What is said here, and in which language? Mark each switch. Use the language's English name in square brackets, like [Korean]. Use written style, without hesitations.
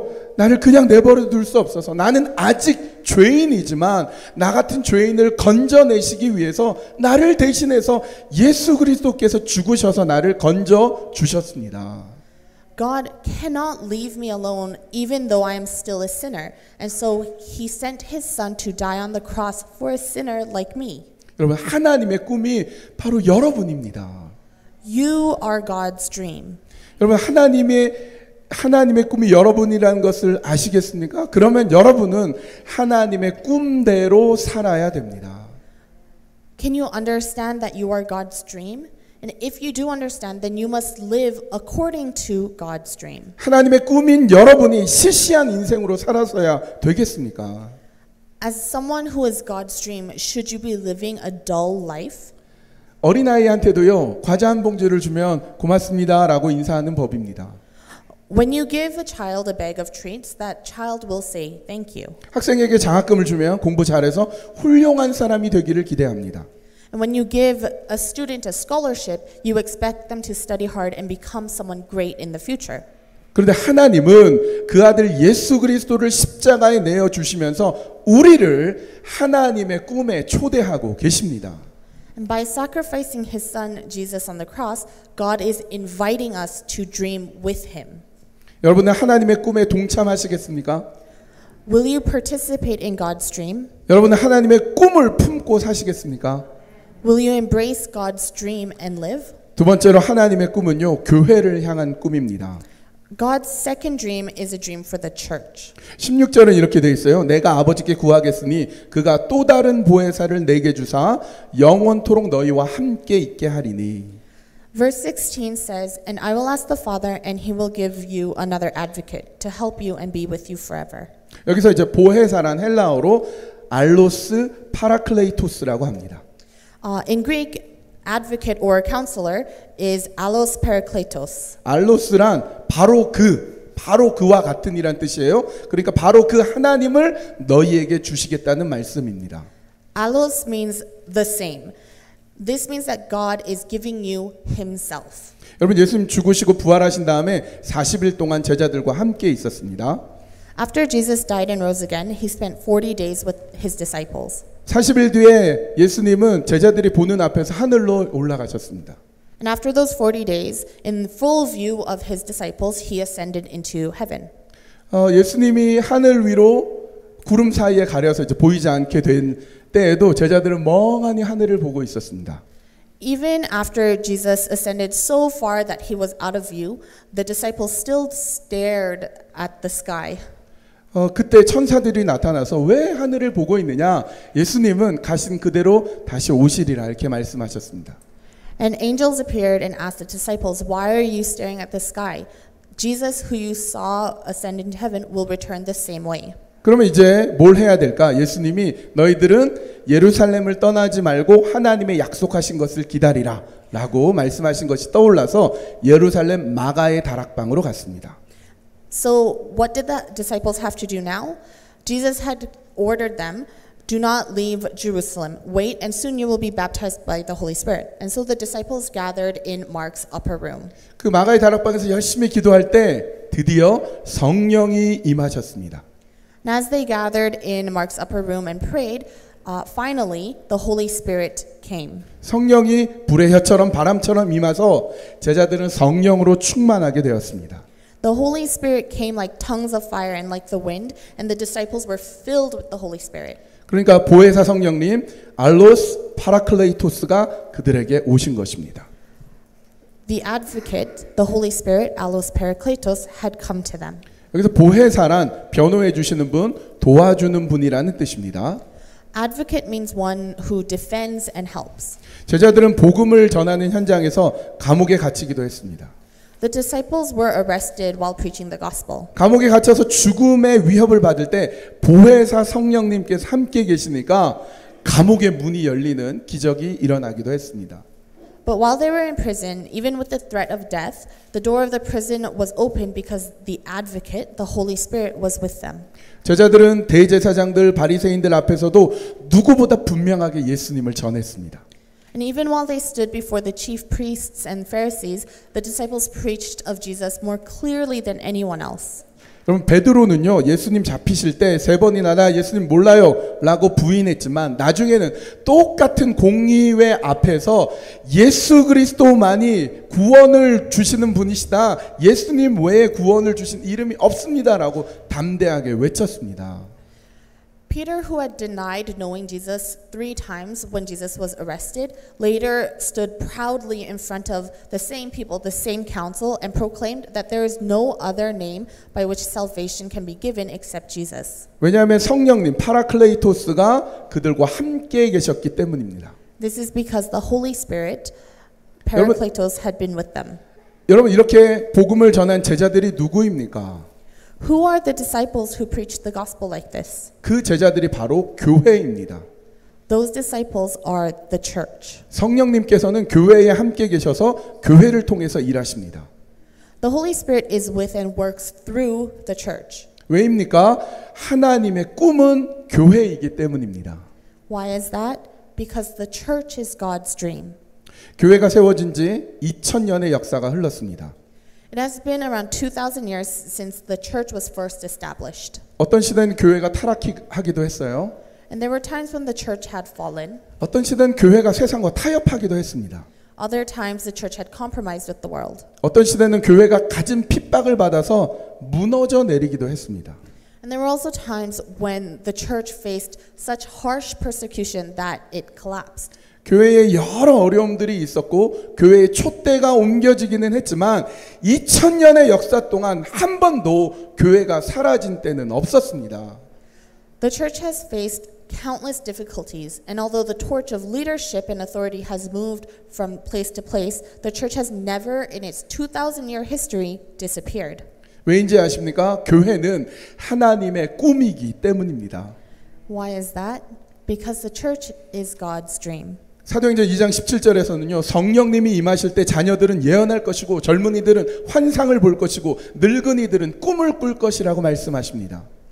[Korean] 하나님은요 나를 그냥 내버려 둘 수 없어서 나는 아직 죄인이지만 나 같은 죄인을 건져내시기 위해서 나를 대신해서 예수 그리스도께서 죽으셔서 나를 건져 주셨습니다. [English] God cannot leave me alone even though I am still a sinner. And so he sent his son to die on the cross for a sinner like me. [Korean] 여러분 하나님의 꿈이 바로 여러분입니다. [English] You are God's dream. [Korean] 여러분 하나님의 꿈이 여러분이라는 것을 아시겠습니까? 그러면 여러분은 하나님의 꿈대로 살아야 됩니다. [English] Can you understand that you are God's dream? And if you do understand, then you must live according to God's dream. [Korean] 하나님의 꿈인 여러분이 시시한 인생으로 살아서야 되겠습니까? [English] As someone who is God's dream, should you be living a dull life? [Korean] 어린아이한테도요, 과자 한 봉지를 주면 고맙습니다라고 인사하는 법입니다. [English] When you give a child a bag of treats, that child will say thank you. [Korean] 학생에게 장학금을 주면 공부 잘해서 훌륭한 사람이 되기를 기대합니다. [English] And when you give a student a scholarship, you expect them to study hard and become someone great in the future. [Korean] 그런데 하나님은 그 아들 예수 그리스도를 십자가에 내어 주시면서 우리를 하나님의 꿈에 초대하고 계십니다. [English] And by sacrificing his son Jesus on the cross, God is inviting us to dream with him. [Korean] 여러분은 하나님의 꿈에 동참하시겠습니까? [English] Will you participate in God's dream? [Korean] 여러분은 하나님의 꿈을 품고 사시겠습니까? [English] Will you embrace God's dream and live? [Korean] 두 번째로 하나님의 꿈은요, 교회를 향한 꿈입니다. [English] God's second dream is a dream for the church. [Korean] 16절은 이렇게 되어 있어요. 내가 아버지께 구하겠으니 그가 또 다른 보혜사를 내게 주사 영원토록 너희와 함께 있게 하리니. [English] Verse 16 says, And I will ask the Father, and he will give you another advocate to help you and be with you forever. [Korean] 여기서 이제 보혜사란 헬라어로 알로스 파라클레이토스라고 합니다. [English] In Greek, advocate or counselor is allos parakletos. [Korean] Allos란 바로 그, 바로 그와 같은 이란 뜻이에요. 그러니까 바로 그 하나님을 너희에게 주시겠다는 말씀입니다. [English] Allos means the same. This means that God is giving you himself. [Korean] 여러분 예수님 죽으시고 부활하신 다음에 40일 동안 제자들과 함께 있었습니다. [English] After Jesus died and rose again, he spent 40 days with his disciples. [Korean] 40일 뒤에 예수님은 제자들이 보는 앞에서 하늘로 올라가셨습니다. [English] And after those 40 days, in full view of his disciples, he ascended into heaven. [Korean] 예수님이 하늘 위로 구름 사이에 가려서 이제 보이지 않게 된 때에도 제자들은 멍하니 하늘을 보고 있었습니다. [English] Even after Jesus ascended so far that he was out of view, the disciples still stared at the sky. [Korean] 그때 천사들이 나타나서 왜 하늘을 보고 있느냐? 예수님은 가신 그대로 다시 오시리라 이렇게 말씀하셨습니다. [English] And angels appeared and asked the disciples, "Why are you staring at the sky? Jesus who you saw ascend into heaven will return the same way." [Korean] 그러면 이제 뭘 해야 될까? 예수님이 너희들은 예루살렘을 떠나지 말고 하나님의 약속하신 것을 기다리라 라고 말씀하신 것이 떠올라서 예루살렘 마가의 다락방으로 갔습니다. [English] So what did the disciples have to do now? Jesus had ordered them, "Do not leave Jerusalem. Wait, and soon you will be baptized by the Holy Spirit." And so the disciples gathered in Mark's upper room. [Korean] 그 마가의 다락방에서 열심히 기도할 때 드디어 성령이 임하셨습니다. [English] And as they gathered in Mark's upper room and prayed, finally the Holy Spirit came. [Korean] 성령이 불의 혀처럼 바람처럼 임하서 제자들은 성령으로 충만하게 되었습니다. [English] The Holy Spirit came like tongues of fire and like the wind, and the disciples were filled with the Holy Spirit. [Korean] 그러니까 보혜사 성령님, 알로스 파라클레이토스가 그들에게 오신 것입니다. [English] The Advocate, the Holy Spirit, Allos Parakletos, had come to them. [Korean] 여기서 보혜사란 변호해 주시는 분, 도와주는 분이라는 뜻입니다. [English] Advocate means one who defends and helps. [Korean] 제자들은 복음을 전하는 현장에서 감옥에 갇히기도 했습니다. [English] The disciples were arrested while preaching the gospel. [Korean] 감옥에 갇혀서 죽음의 위협을 받을 때 보혜사 성령님께서 함께 계시니까 감옥의 문이 열리는 기적이 일어나기도 했습니다. [English] But while they were in prison, even with the threat of death, the door of the prison was open because the advocate, the Holy Spirit, was with them. [Korean] 제자들은 대제사장들, 바리새인들 앞에서도 누구보다 분명하게 예수님을 전했습니다. [English] And even while they stood before the chief priests and Pharisees, the disciples preached of Jesus more clearly than anyone else. [Korean] 그럼 베드로는요, 예수님 잡히실 때 세 번이나 나 예수님 몰라요 라고 부인했지만 나중에는 똑같은 공의회 앞에서 예수 그리스도만이 구원을 주시는 분이시다. 예수님 외에 구원을 주신 이름이 없습니다 라고 담대하게 외쳤습니다. [English] Peter, who had denied knowing Jesus three times when Jesus was arrested, later stood proudly in front of the same people, the same council, and proclaimed that there is no other name by which salvation can be given except Jesus. [Korean] 왜냐하면 성령님, 파라클레이토스가 그들과 함께 계셨기 때문입니다. [English] This is because the Holy Spirit, Paracletos, had been with them. [Korean] 여러분, 이렇게 복음을 전한 제자들이 누구입니까? [English] Who are the disciples who preached the gospel like this? [Korean] 그 제자들이 바로 교회입니다. [English] Those disciples are the church. [Korean] 성령님께서는 교회에 함께 계셔서 교회를 통해서 일하십니다. [English] The Holy Spirit is with and works through the church. [Korean] 왜입니까? 하나님의 꿈은 교회이기 때문입니다. [English] Why is that? Because the church is God's dream. [Korean] 교회가 세워진 지 2000년의 역사가 흘렀습니다. [English] It has been around 2,000 years since the church was first established. [Korean] 어떤 시대는 교회가 타락하기도 했어요. [English] And there were times when the church had fallen. [Korean] 어떤 시대는 교회가 세상과 타협하기도 했습니다. [English] Other times the church had compromised with the world. [Korean] 어떤 시대는 교회가 가진 핍박을 받아서 무너져 내리기도 했습니다. [English] And there were also times when the church faced such harsh persecution that it collapsed. [Korean] 교회에 여러 어려움들이 있었고 교회의 촛대가 옮겨지기는 했지만 2000년의 역사 동안 한 번도 교회가 사라진 때는 없었습니다. [English] The church has faced countless difficulties and although the torch of leadership and authority has moved from place to place, the church has never in its 2000 year history disappeared. [Korean] 왜인지 아십니까? 교회는 하나님의 꿈이기 때문입니다. [English] Why is that? Because the church is God's dream. [Korean] 사도행전 2장 17절에서는요 성령님이 임하실 때 자녀들은 예언할 것이고 젊은이들은 환상을 볼 것이고 늙은이들은 꿈을 꿀 것이라고 말씀하십니다.